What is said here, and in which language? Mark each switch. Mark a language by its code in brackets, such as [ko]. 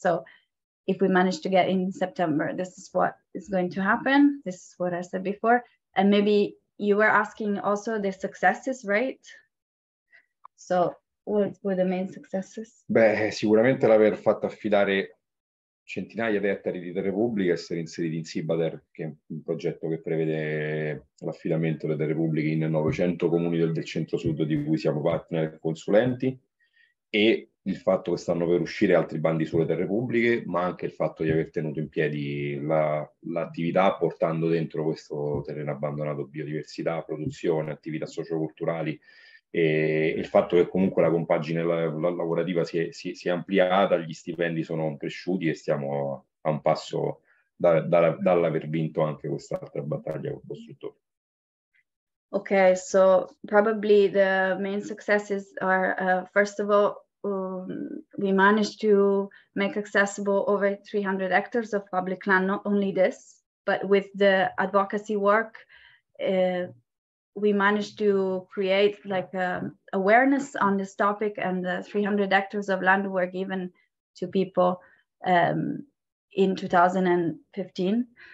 [en] So if we manage to get in September, this is what is going to happen. This is what I said before. And maybe you were asking also the successes, right? So what were the main successes? [it] Beh, sicuramente l'aver fatto affidare centinaia di ettari di terre pubbliche, essere inseriti in Sibader, che è un progetto che prevede l'affidamento delle terre pubbliche in 900 comuni del centro-sud di cui siamo partner consulenti, e il fatto che stanno per uscire altri bandi sulle terre pubbliche, ma anche il fatto di aver tenuto in piedi l'attività portando dentro questo terreno abbandonato biodiversità, produzione, attività socioculturali, e il fatto che comunque la compagine lavorativa si è ampliata, gli stipendi sono cresciuti e stiamo a un passo dall'aver vinto anche quest'altra battaglia col costruttore. [en] Ok, so probably the main successes are, first of all, we managed to make accessible over 300 hectares of public land, not only this, but with the advocacy work, we managed to create like awareness on this topic, and the 300 hectares of land were given to people in 2015.